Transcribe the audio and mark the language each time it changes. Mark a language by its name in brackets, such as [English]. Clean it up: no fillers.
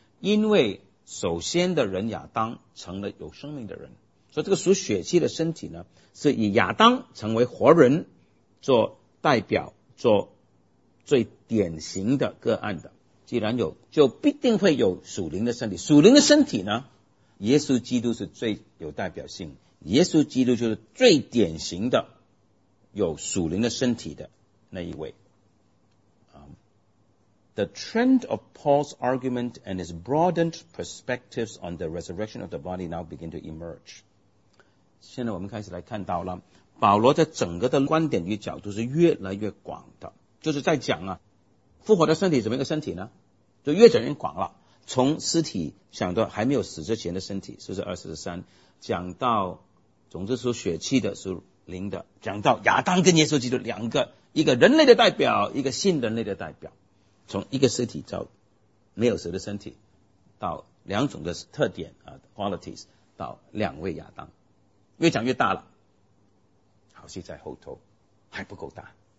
[Chinese] 因为首先的人亚当成了有生命的人，所以这个属血气的身体呢，是以亚当成为活人做代表，做最典型的个案的。既然有，就必定会有属灵的身体。属灵的身体呢，耶稣基督是最有代表性，耶稣基督就是最典型的有属灵的身体的那一位。 [English] The trend of Paul's argument and his broadened perspectives on the resurrection of the body now begin to emerge. [Chinese] 现在我们开始来看到了保罗的整个的观点与角度是越来越广的，就是在讲啊，复活的身体怎么一个身体呢？就越讲越广了，从尸体想到还没有死之前的身体，是不是43？讲到总之属血气的、属灵的，讲到亚当跟耶稣基督两个，一个人类的代表，一个新人类的代表，从一个尸体到没有死的身体，到两种的特点啊 qualities， 到两位亚当，越讲越大了。好戏在后头，还不够大。